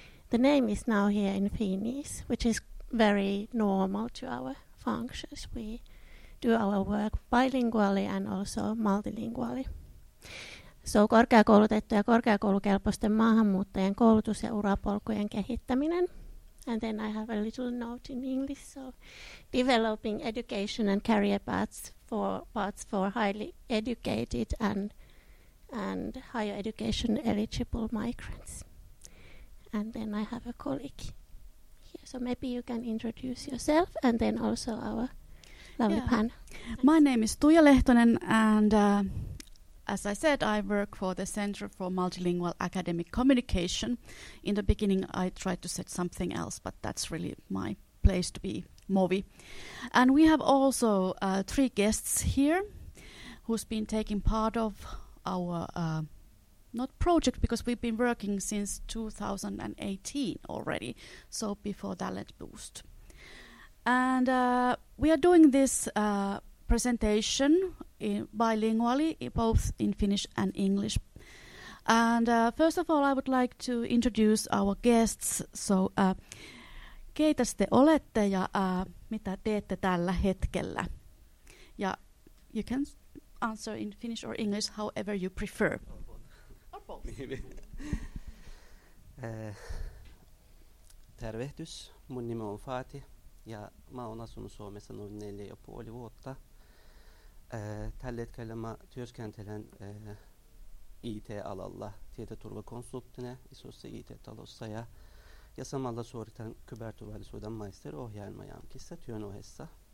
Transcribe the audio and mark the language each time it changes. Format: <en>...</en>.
<en>The name is now here in Finnish, which is very normal to our functions. We do our work bilingually and also multilingually. So</en> <fi>korkeakoulutettu ja korkeakoulukelpoisten maahanmuuttajien koulutus- ja urapolkujen kehittäminen.</fi> <en>And then I have a little note in English, so developing education and career paths for highly educated and higher education eligible migrants. And then I have a colleague here. So maybe you can introduce yourself and then also our lovely panel. My name is Tuija Lehtonen, and as I said, I work for the Center for Multilingual Academic Communication. In the beginning, I tried to set something else, but that's really my place to be, MOVI. And we have also 3 guests here who's been taking part of our not project, because we've been working since 2018 already, so before Talent Boost. And we are doing this presentation bilingually, both in Finnish and English. And first of all, I would like to introduce our guests. So,</en> <fi>keitä te olette ja mitä teette tällä hetkellä? Ja</fi> <en>you can answer in Finnish or English, however you prefer.</en> <fi>Tervehdys, mun nimi on Fati ja mä oon asunut Suomessa noin 4,5 vuotta. Tällä hetkellä mä työskentelen IT-alalla tietoturvakonsulttina isossa IT-talossa ja samalla suoritan kyberturvallisuuden maisteriohjelmajankissa työn ohessa.</fi>